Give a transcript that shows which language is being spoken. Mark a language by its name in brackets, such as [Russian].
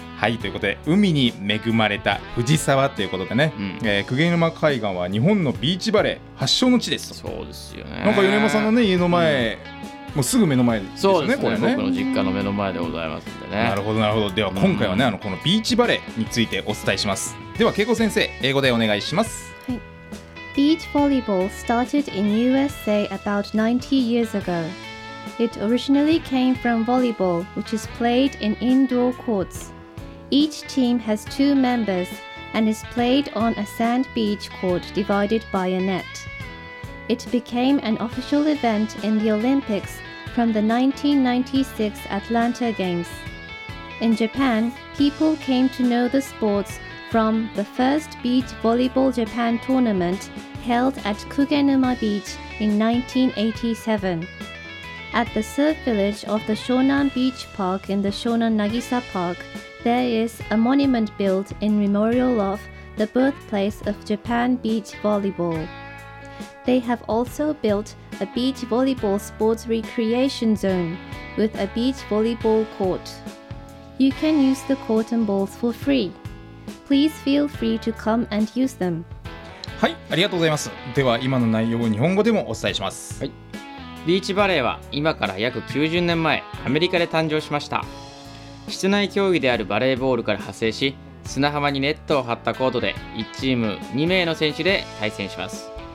[Japanese] はい、ということで海に恵まれた藤沢ということでね、うん、鵠沼海岸は日本のビーチバレー発祥の地です。そうですよね。なんか米山さんのね家の前、うん、もうすぐ目の前ですよね。そうですね、これね、僕の実家の目の前でございますんでね。なるほどなるほど。では今回はね、うん、あのこのビーチバレーについてお伝えします。では慶子先生、英語でお願いします。はい。 [English] Beach volleyball started in USA about 90 years ago. It originally came from volleyball, which is played in indoor courtsEach team has two members and is played on a sand beach court divided by a net. It became an official event in the Olympics from the 1996 Atlanta Games. In Japan, people came to know the sports from the first Beach Volleyball Japan tournament held at Kugenuma Beach in 1987. At the surf village of the Shonan Beach Park in the Shonan Nagisa Park,There is a monument built in memorial of the birthplace of Japan beach volleyball. They have also built a beach volleyball sports recreation zone with a beach volleyball court. You can use the court and balls for free. Please feel free to come and use them. [Japanese] はい、ありがとうございます。では今の内容を日本語でもお伝えします。はい。ビーチバレーは今から約90年前、アメリカで誕生しました。室内競技であるバレーボールから派生し、砂浜にネットを張ったコートで1チーム2名の選手で対戦します。